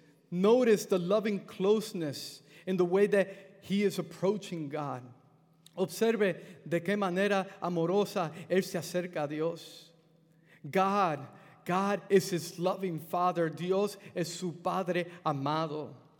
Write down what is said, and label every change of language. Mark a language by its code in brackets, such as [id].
[en] Notice the loving closeness in the way that he is approaching God. [es] Observe de qué manera amorosa él se acerca a Dios. [en] God is his loving Father. [es] Dios es su Padre amado.